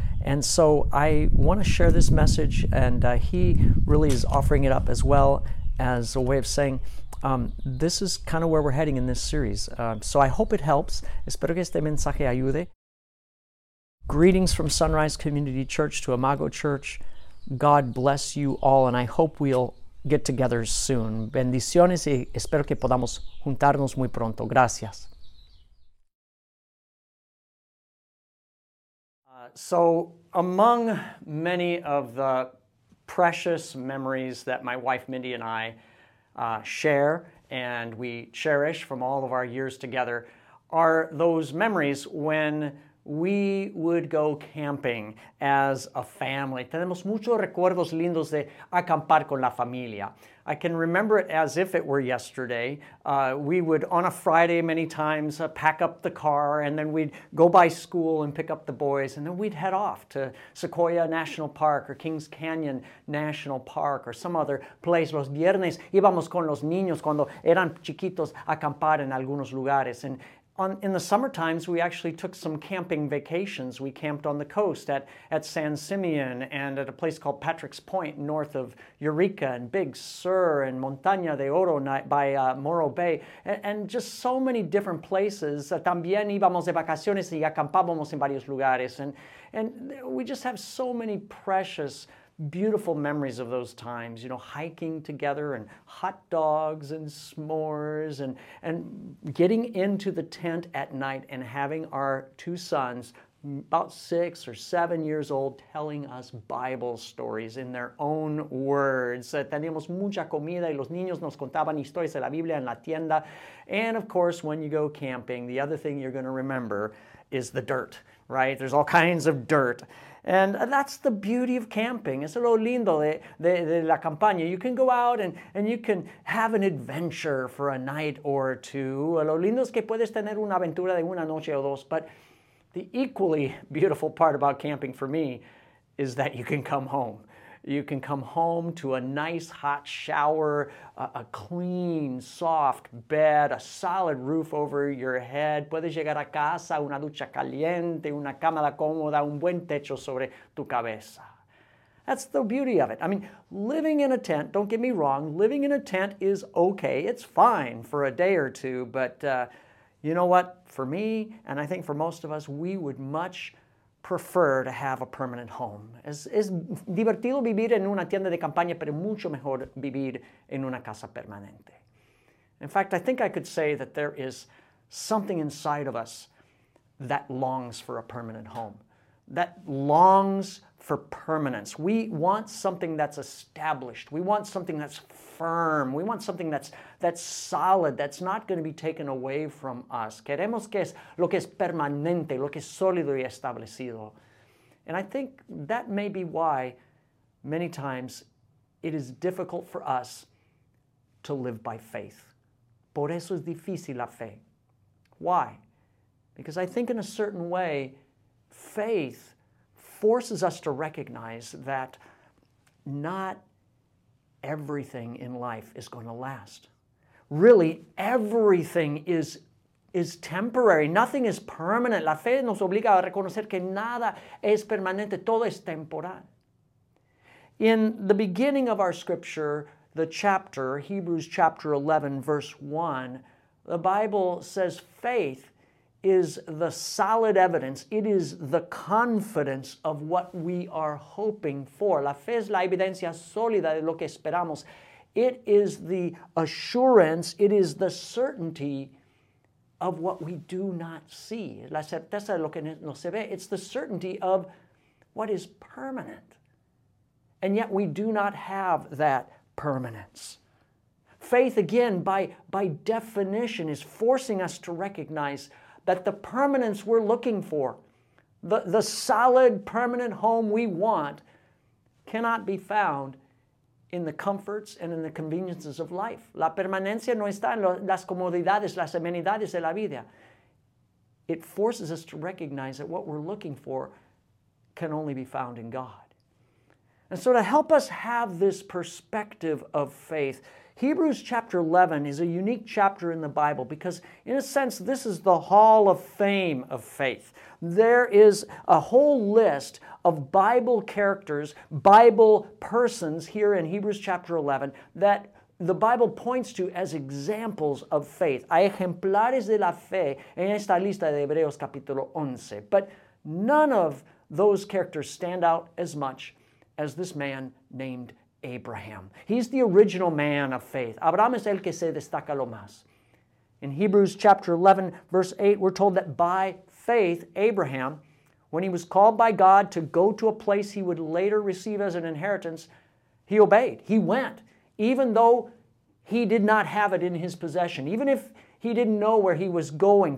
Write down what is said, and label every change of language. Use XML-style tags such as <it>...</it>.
<en>And so I want to share this message, and he really is offering it up as well as a way of saying, this is kind of where we're heading in this series. So I hope it helps.</en> <es>Espero que este mensaje ayude.</es> <en>Greetings from Sunrise Community Church to Imago Church. God bless you all, and I hope we'll get together soon.</en> <es>Bendiciones y espero que podamos juntarnos muy pronto. Gracias.</es> <en>So among many of the precious memories that my wife Mindy and I share and we cherish from all of our years together are those memories when we would go camping as a family.</en> <es>Tenemos muchos recuerdos lindos de acampar con la familia.</es> <en>I can remember it as if it were yesterday. We would, on a Friday many times, pack up the car, and then we'd go by school and pick up the boys, and then we'd head off to Sequoia National Park or Kings Canyon National Park or some other place.</en> <es>Los viernes íbamos con los niños cuando eran chiquitos a acampar en algunos lugares.</es> <en>And in the summer times, we actually took some camping vacations. We camped on the coast at San Simeon and at a place called Patrick's Point north of Eureka and Big Sur and Montaña de Oro by Morro Bay and just so many different places.</en> <es>También íbamos de vacaciones y acampábamos en varios lugares.</es> <en>And we just have so many precious, beautiful memories of those times, you know, hiking together and hot dogs and s'mores and getting into the tent at night and having our two sons, about 6 or 7 years old, telling us Bible stories in their own words.</en> <es>Teníamos mucha comida y los niños nos contaban historias de la Biblia en la tienda.</es> <en>And of course, when you go camping, the other thing you're going to remember is the dirt, right? There's all kinds of dirt. And that's the beauty of camping.</en> <es>Es lo lindo de la campaña.</es> <en>You can go out and you can have an adventure for a night or two.</en> <es>Lo lindo es que puedes tener una aventura de una noche o dos.</es> <en>But the equally beautiful part about camping for me is that you can come home. You can come home to a nice hot shower, a clean, soft bed, a solid roof over your head.</en> <es>Puedes llegar a casa, una ducha caliente, una cama cómoda, un buen techo sobre tu cabeza.</es> <en>That's the beauty of it. I mean, living in a tent, don't get me wrong, living in a tent is okay. It's fine for a day or two, but you know what? For me, and I think for most of us, we would much prefer to have a permanent home.</en> <es>Es divertido vivir en una tienda de campaña, pero mucho mejor vivir en una casa permanente.</es> <en>In fact, I think I could say that there is something inside of us that longs for a permanent home, that longs for permanence. We want something that's established. We want something that's firm. We want something that's solid, that's not going to be taken away from us.</en> <es>Queremos que es lo que es permanente, lo que es sólido y establecido.</es> <en>And I think that may be why many times it is difficult for us to live by faith.</en> <es>Por eso es difícil la fe.</es> <en>Why? Because I think in a certain way, faith forces us to recognize that not everything in life is going to last. Really, everything is temporary. Nothing is permanent.</en> <es>La fe nos obliga a reconocer que nada es permanente. Todo es temporal.</es> <en>In the beginning of our scripture, the chapter, Hebrews chapter 11, verse 1, the Bible says faith is the solid evidence. It is the confidence of what we are hoping for.</en> <es>La fe es la evidencia sólida de lo que esperamos.</es> <en>It is the assurance, it is the certainty of what we do not see.</en> <es>La certeza de lo que no se ve.</es> <en>It's the certainty of what is permanent. And yet we do not have that permanence. Faith, again, by definition, is forcing us to recognize that the permanence we're looking for, the solid, permanent home we want, cannot be found in the comforts and in the conveniences of life.</en> <es>La permanencia no está en las comodidades, las amenidades de la vida.</es> <en>It forces us to recognize that what we're looking for can only be found in God. And so to help us have this perspective of faith, Hebrews chapter 11 is a unique chapter in the Bible because, in a sense, this is the hall of fame of faith. There is a whole list of Bible characters, Bible persons here in Hebrews chapter 11 that the Bible points to as examples of faith.</en> <es>Hay ejemplares de la fe en esta lista de Hebreos capítulo 11.</es> <en>But none of those characters stand out as much as this man named Abraham. He's the original man of faith.</en> <es>Abraham es el que se destaca lo más.</es> <en>In Hebrews chapter 11, verse 8, we're told that by faith, Abraham, when he was called by God to go to a place he would later receive as an inheritance, he obeyed. He went, even though he did not have it in his possession. Even if he didn't know where he was going.</en>